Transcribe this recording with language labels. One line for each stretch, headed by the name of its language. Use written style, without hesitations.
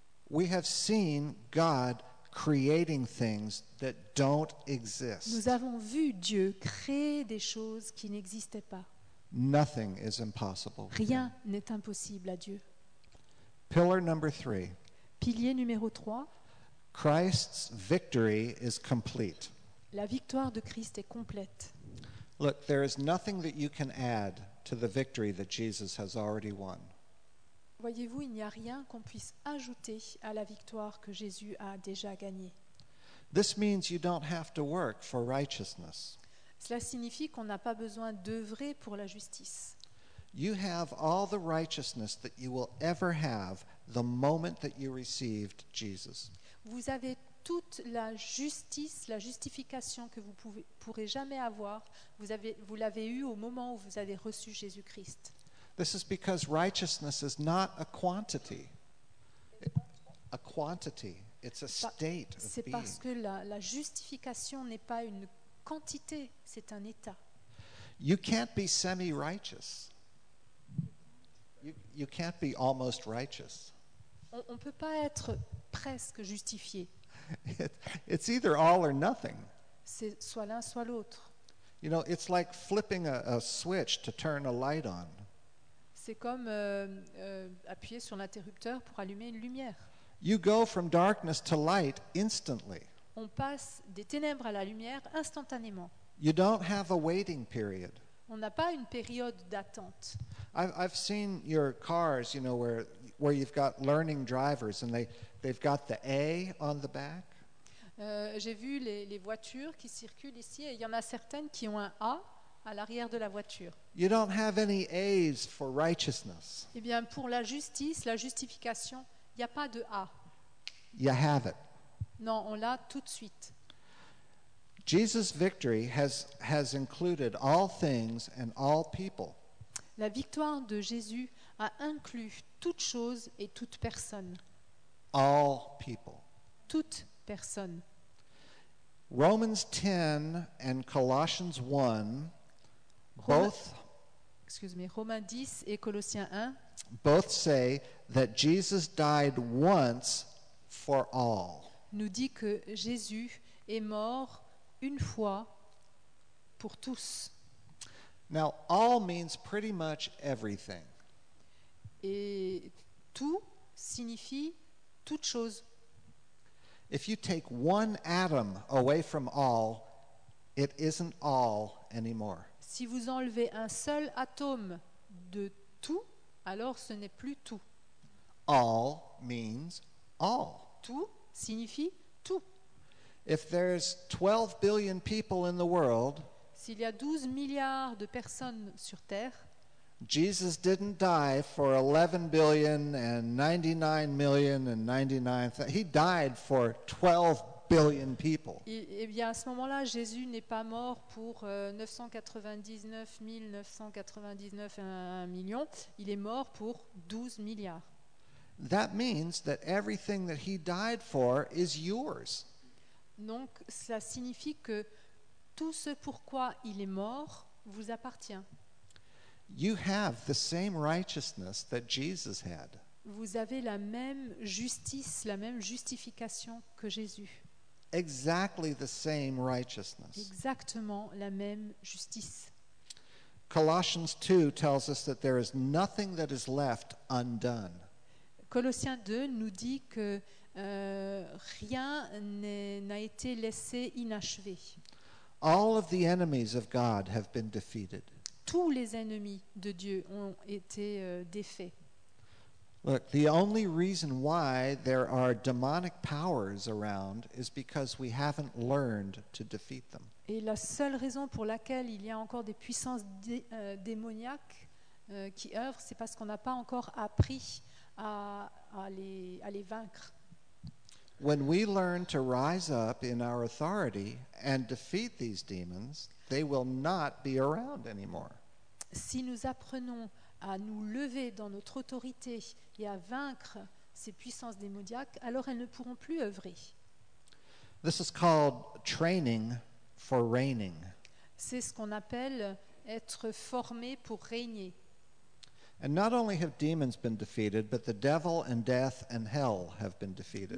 English: We have seen God creating things that don't exist.
French: Nous avons vu Dieu créer des choses qui n'existaient pas.
English: Nothing is impossible.
French: Rien n'est impossible à Dieu.
English: Pillar number 3.
French: Pilier numéro 3.
English: Christ's victory is complete.
French: La victoire de Christ est complète.
English: Look, there is nothing that you can add to the victory that Jesus has already won.
French: Voyez-vous, il n'y a rien qu'on puisse ajouter à la victoire que Jésus a déjà gagnée.
English: This means you don't have to work for righteousness.
French: Cela signifie qu'on n'a pas besoin d'œuvrer pour la justice.
English: You have all the righteousness that you will ever have the moment that you received Jesus.
French: Vous avez toute la justice, la justification que vous pourrez jamais avoir, vous l'avez eu au moment où vous avez reçu Jésus-Christ.
English: This is because righteousness is not a quantity. A quantity, it's a state of being.
French: C'est parce que la justification n'est pas une quantité, c'est un état.
English: You can't be semi-righteous. You can't be almost righteous.
French: On peut pas être presque justifié.
English: It's either all or nothing.
French: C'est soit l'un soit l'autre.
English: You know, it's like flipping a switch to turn a light on.
French: C'est comme appuyer sur l'interrupteur pour allumer une lumière.
English: You go from darkness to light instantly.
French: On passe des ténèbres à la lumière instantanément.
English: You don't have a waiting period.
French: On n'a pas une période d'attente.
English: I've seen your cars, you know, where you've got learning drivers and they've got the A on the back.
French: J'ai vu les voitures qui circulent ici et il y en a certaines qui ont un A à l'arrière de la voiture.
English: You don't have any A's for righteousness.
French: Eh bien, pour la justice, la justification, il n'y a pas de A.
English: You have it.
French: Non, on l'a tout de suite.
English: Jesus' victory has included all things and all people.
French: La victoire de Jésus a inclus toute chose et toute personne.
English: All people.
French: Toute personne.
English: Romans 10 and Colossians 1, both.
French: Romains 10 et Colossiens 1.
English: Both say that Jesus died once for all.
French: Nous dit que Jésus est mort une fois pour tous.
English: Now, all means pretty much everything.
French: Et tout signifie toute chose.
English: If you take one atom away from all, it isn't all anymore.
French: Si vous enlevez un seul atome de tout, alors ce n'est plus tout.
English: All means all.
French: Tout signifie tout.
English: If there's 12 billion people in the world,
French: s'il y a 12 milliards de personnes sur Terre,
English: Jesus didn't die for 11 billion and 99 million and 99. He died for 12 billion people.
French: Et bien à ce moment-là, Jésus n'est pas mort pour 999,999 million. Il est mort pour 12 milliards.
English: That means that everything that he died for is yours.
French: Donc cela signifie que tout ce pour quoi il est mort vous appartient.
English: You have the same righteousness that Jesus had.
French: Vous avez la même justice, la même justification que Jésus.
English: Exactly the same righteousness.
French: Exactement la même justice.
English: Colossians 2 tells us that there is nothing that is left undone.
French: Colossiens 2 nous dit que rien n'a été laissé inachevé.
English: All of the enemies of God have been defeated.
French: Tous les ennemis de Dieu ont été défaits.
English: Look, the only reason why there are demonic powers around is because we haven't learned to defeat them.
French: Et la seule raison pour laquelle il y a encore des puissances démoniaques qui œuvrent, c'est parce qu'on n'a pas encore appris à les vaincre.
English: When we learn to rise up in our authority and defeat these demons, they will not be around anymore.
French: Si nous apprenons à nous lever dans notre autorité et à vaincre ces puissances démoniaques, alors elles ne pourront plus œuvrer.
English: This is called training for reigning.
French: C'est ce qu'on appelle être formé pour régner.
English: And not only have demons been defeated, but the devil and death and hell have been defeated.